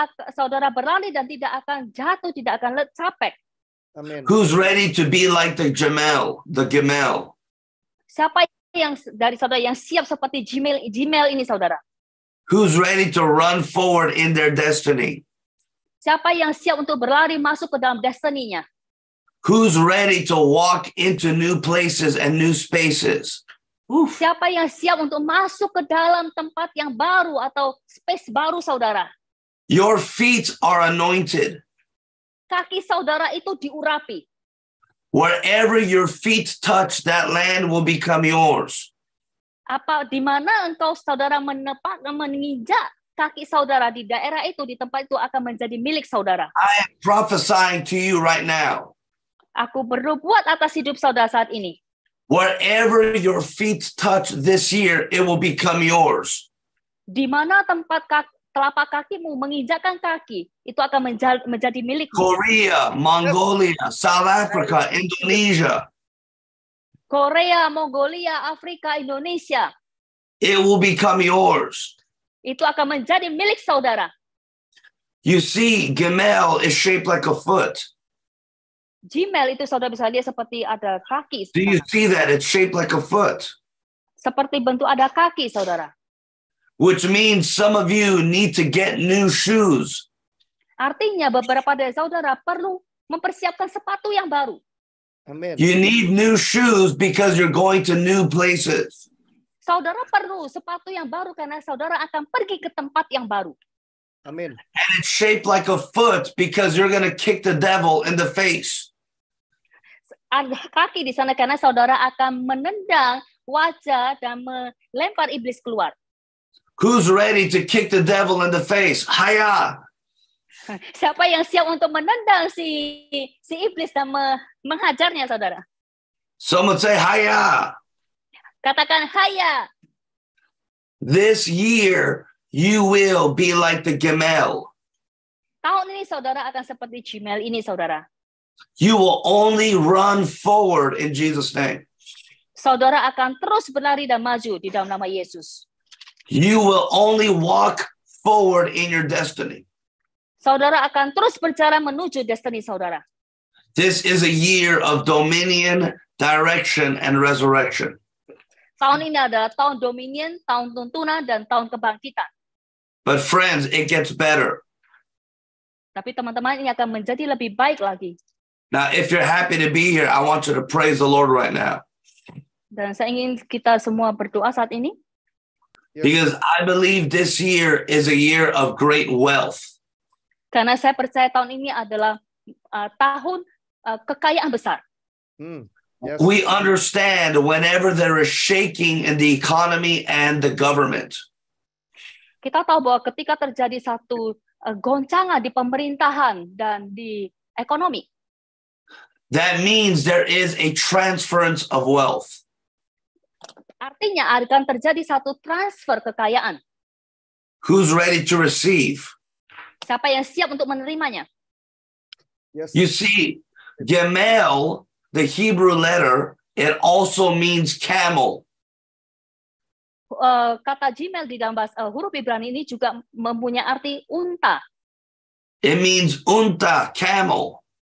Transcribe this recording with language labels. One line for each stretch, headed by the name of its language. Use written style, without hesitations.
Indonesian: Saudara berlari dan tidak akan jatuh, tidak akan capek. Amen.
English: Who's ready to be like the Gimel?
Indonesian: Siapa yang dari saudara yang siap seperti Gimel ini, saudara?
English: Who's ready to run forward in their destiny?
Indonesian: Siapa yang siap untuk berlari masuk ke dalam destininya?
English: Who's ready to walk into new places and new spaces?
Indonesian: Siapa yang siap untuk masuk ke dalam tempat yang baru atau space baru, saudara?
English: Your feet are anointed.
Indonesian: Kaki saudara itu diurapi.
English: Wherever your feet touch, that land will become yours.
Indonesian: Apa di mana engkau saudara menginjak kaki saudara di daerah itu, di tempat itu akan menjadi milik saudara.
English: I am prophesying to you right now.
Indonesian: Aku bernubuat atas hidup saudara saat ini.
English: Wherever your feet touch this year, it will become yours.
Indonesian: Di mana tempat telapak kakimu menginjakkan kaki, itu akan menjadi milikmu.
English: Korea, Mongolia, South Africa, Indonesia.
Indonesian: Korea, Mongolia, Afrika, Indonesia.
English: It will become yours.
Indonesian: Itu akan menjadi milik saudara.
English: You see, Gimel is shaped like a foot.
Indonesian: Gimel itu saudara bisa lihat seperti ada kaki.
English: Do you see that? It's shaped like a foot.
Indonesian: Seperti bentuk ada kaki, saudara.
English: Which means some of you need to get new shoes.
Indonesian: Artinya beberapa dari saudara perlu mempersiapkan sepatu yang baru. Amen.
English: You need new shoes because you're going to new places.
Indonesian: Saudara perlu sepatu yang baru karena saudara akan pergi ke tempat yang baru. Amen.
English: And it's shaped like a foot because you're going to kick the devil in the face.
Indonesian: Ada kaki di sana karena saudara akan menendang wajah dan melempar iblis keluar.
English: Who's ready to kick the devil in the face? Hiya!
Indonesian: Siapa yang siap untuk menendang si iblis dan menghajarnya, saudara?
English: Someone say hiya!
Indonesian: Katakan hiya!
English: This year, you will be like the Gimel.
Indonesian: Tahun ini, saudara akan seperti Gimel ini, saudara.
English: You will only run forward in Jesus' name.
Indonesian: Saudara akan terus berlari dan maju di dalam nama Yesus.
English: You will only walk forward in your destiny.
Indonesian: Saudara akan terus berjalan menuju destiny saudara.
English: This is a year of dominion, direction, and resurrection.
Indonesian: Tahun ini adalah tahun dominion, tahun tuntunan, dan tahun kebangkitan.
English: But friends, it gets better.
Indonesian: Tapi teman-teman ini akan menjadi lebih baik lagi.
English: Now, if you're happy to be here, I want you to praise the Lord right now.
Indonesian: Dan saya ingin kita semua berdoa saat ini.
English: Because I believe this year is a year of great wealth.
Indonesian: Karena saya percaya tahun ini adalah tahun kekayaan besar.
English: We understand whenever there is shaking in the economy and the government.
Indonesian: Kita tahu bahwa ketika terjadi satu goncangan di pemerintahan dan di ekonomi.
English: That means there is a transference of wealth.
Indonesian: Artinya akan terjadi satu transfer kekayaan.
English: Who's ready to receive?
Indonesian: Siapa yang siap untuk menerimanya?
English: Yes. You see, Gimel, the Hebrew letter, it also means camel.
Indonesian: Kata Gimel di dalam bahasa huruf Ibrani ini juga mempunyai arti unta.
English: It means unta, camel.